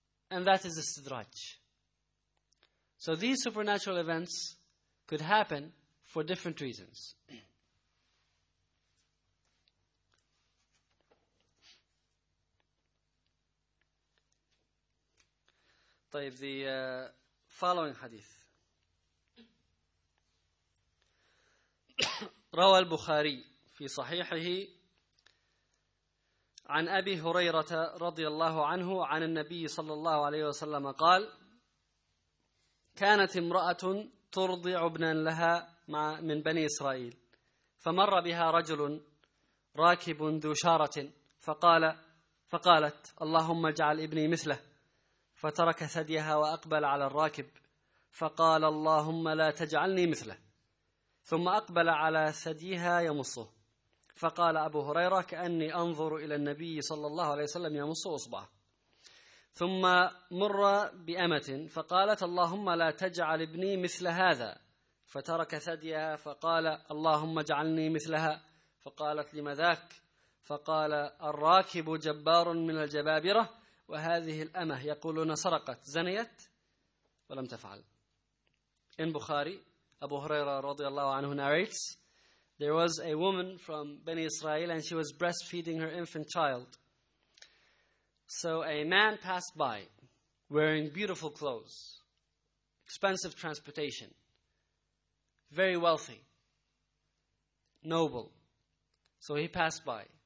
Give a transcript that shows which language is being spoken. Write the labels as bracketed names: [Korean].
[English] And that is the Istidraj. So these supernatural events could happen for different reasons. [Arabic] طيب, [English] the following hadith. [Arabic] روى البخاري في صحيحه عن أبي هريرة رضي الله عنه عن النبي صلى الله عليه وسلم قال كانت امرأة ترضع ابنا لها من بني إسرائيل فمر بها رجل راكب ذو شارة فقالت اللهم اجعل ابني مثله فترك ثديها وأقبل على الراكب فقال اللهم لا تجعلني مثله ثم أقبل على ثديها يمصه فقال أبو هريرة كأني أنظر إلى النبي صلى الله عليه وسلم يمص أصبعه ثم مر بأمة فقالت اللهم لا تجعل ابني مثل هذا فترك ثديها فقال اللهم اجعلني مثلها فقالت لماذاك فقال الراكب جبار من الجبابرة وهذه الأمة يقولون سرقت زنيت ولم تفعل. [English] In Bukhari, Abu Huraira radiallahu anhu narrates, there was a woman from Bani Israel and she was breastfeeding her infant child. So a man passed by wearing beautiful clothes, expensive transportation, very wealthy, noble. So he passed by.